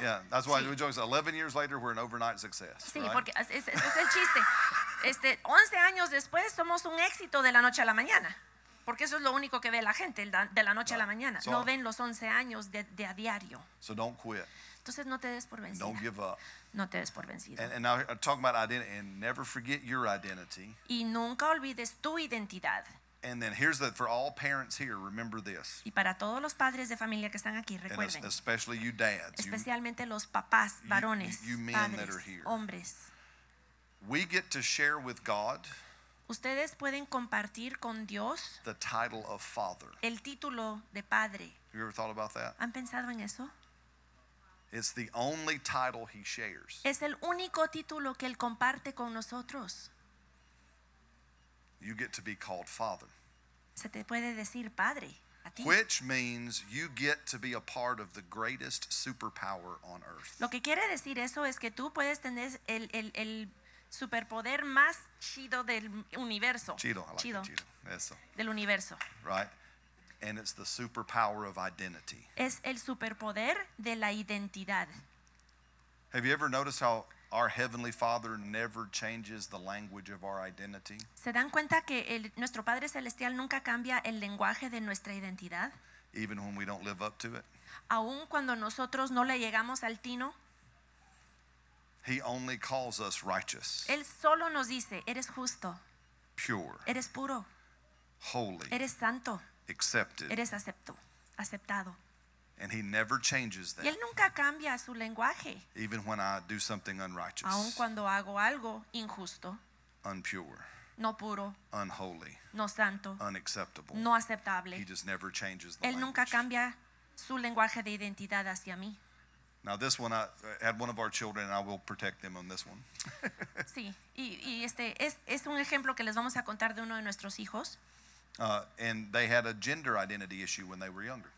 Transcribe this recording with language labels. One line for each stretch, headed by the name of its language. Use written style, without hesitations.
English: Yeah, that's why we joke. 11 years later, we're an overnight success.
Spanish: Sí,
English: right?
Spanish: Porque es el chiste. 11 años después somos un éxito de la noche a la mañana. Porque eso es lo único que ve la gente de la noche
English: right.
Spanish: a la mañana. So no ven los 11 años de a diario.
English: So don't quit.
Spanish: Entonces no te des por vencido.
English: Don't give up.
Spanish: No te des por vencido.
English: And now I'm talking about identity and never forget your identity.
Spanish: Y nunca olvides tu identidad.
English: And then here's the for all parents here, remember this.
Spanish: Y para todos los padres de familia que están aquí, recuerden.
English: And especially you dads.
Spanish: Especialmente los papás varones.
English: You men
Spanish: padres,
English: that are here.
Spanish: Hombres.
English: We get to share with God.
Spanish: Ustedes pueden compartir con Dios.
English: The title of father.
Spanish: El título de padre.
English: Have you ever thought about that?
Spanish: ¿Han pensado en eso?
English: It's the only title he shares.
Spanish: Es el único título que él comparte con nosotros.
English: You get to be called father.
Spanish: Se te puede decir padre a ti.
English: Which means you get to be a part of the greatest superpower on earth.
Spanish: Lo que quiere decir eso es que tú puedes tener el superpoder más chido del universo.
English: Chido, I like chido. Chido. Eso.
Spanish: Del universo.
English: Right. And it's the superpower of identity.
Spanish: Es el superpoder de la identidad.
English: Have you ever noticed how our heavenly Father never changes the language of our identity?
Spanish: ¿Se dan cuenta que nuestro Padre Celestial nunca cambia el lenguaje de nuestra identidad?
English: Even when we don't live up to it.
Spanish: Aun cuando nosotros no le llegamos al tino.
English: He only calls us righteous.
Spanish: Él solo nos dice, eres justo.
English: Pure.
Spanish: Eres puro.
English: Holy.
Spanish: Eres santo.
English: Accepted.
Spanish: Eres aceptado.
English: And he never changes that.
Spanish: Y él nunca cambia su lenguaje.
English: Even when I do something unrighteous.
Spanish: Aun cuando hago algo injusto.
English: Unpure.
Spanish: No puro.
English: Unholy.
Spanish: No santo.
English: Unacceptable.
Spanish: No aceptable.
English: He just never changes the
Spanish: él
English: language.
Spanish: Nunca cambia su lenguaje de identidad hacia mí.
English: Now this one, I had one of our children, and I will protect them on this one.
Spanish: Sí, y es un ejemplo que les vamos a contar de uno de nuestros hijos.
English: And they had a gender identity issue when they were younger.